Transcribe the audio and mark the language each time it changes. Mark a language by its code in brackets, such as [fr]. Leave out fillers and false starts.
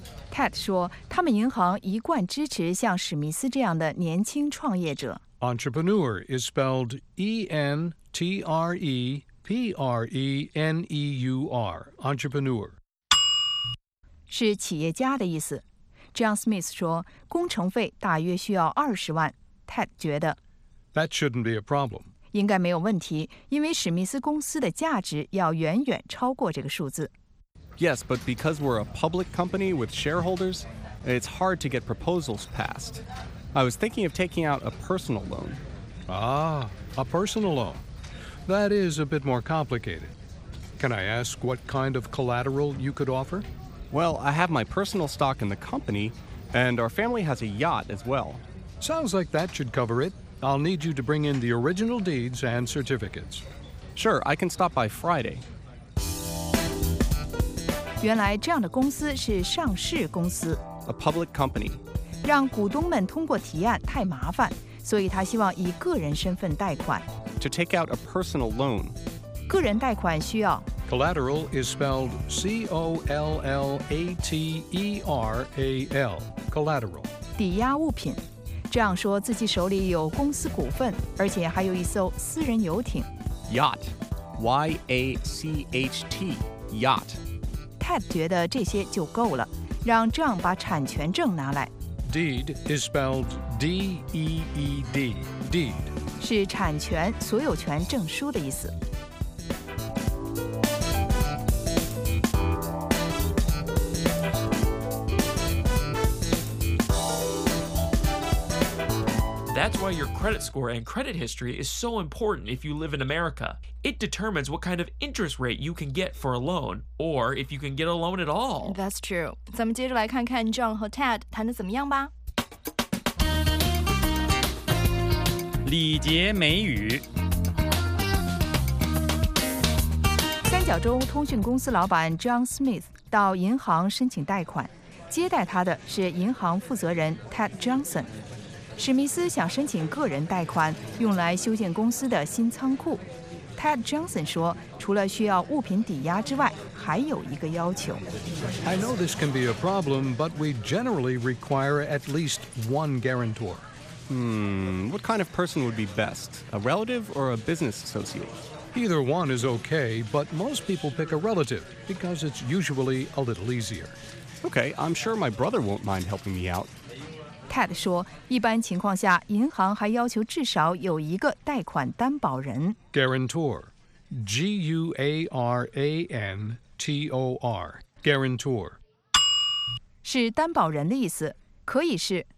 [zh] Ted 说，他们银行一贯支持像史密斯这样的年轻创业者。 [en] Entrepreneur is spelled E-N-T-R-E-P-R-E-N-E-U-R. Entrepreneur. [zh] 是企业家的意思。 John Smith 说，工程费大约需要200,000。 Ted 觉得 [en] ，That shouldn't be a problem. [zh] 应该没有问题，因为史密斯公司的价值要远远超过这个数字。 [en] Yes, but because we're a public company with shareholders, it's hard to get proposals passed. I was thinking of taking out a personal loan. Ah, a personal loan. That is a bit more complicated. Can I ask what kind of collateral you could offer? Well, I have my personal stock in the company, and our family has a yacht as well. Sounds like that should cover it. I'll need you to bring in the original deeds and certificates. Sure, I can stop by Friday. [zh] 原来这样的公司是上市公司。 [en] A public company. [zh] 让股东们通过提案太麻烦，所以他希望以个人身份贷款。 [en] To take out a personal loan. [zh] 个人贷款需要。 [en] Collateral is spelled C-O-L-L-A-T-E-R-A-L. Collateral. [zh] 抵押物品。这样说自己手里有公司股份，而且还有一艘私人游艇。 [en] Yacht. Y-A-C-H-T. Yacht. [zh] Ted 觉得这些就够了，让 John 把产权证拿来。 [en] Deed is spelled D-E-E-D, deed. [zh] 是产权、所有权证书的意思。 [en] That's why your credit score and credit history is so important if you live in America. It determines what kind of interest rate you can get for a loan, or if you can get a loan at all. That's true. [zh] 咱们接着来看看 John 和 Ted 谈得怎么样吧。礼节美语。三角洲通讯公司老板 John Smith 到银行申请贷款，接待他的是银行负责人 Ted Johnson。史密斯想申请个人贷款，用来修建公司的新仓库。 Ted Johnson 说，除了需要物品抵押之外，还有一个要求。 [en] I know this can be a problem, but we generally require at least one guarantor. What kind of person would be best? A relative or a business associate? Either one is okay, but most people pick a relative because it's usually a little easier. Okay, I'm sure my brother won't mind helping me out. [zh] Ted 说，一般情况下，银行还要求至少有一个贷款担保人。 [en] Guarantor, G-U-A-R-A-N-T-O-R, guarantor. [zh] 是担保人的意思，可以是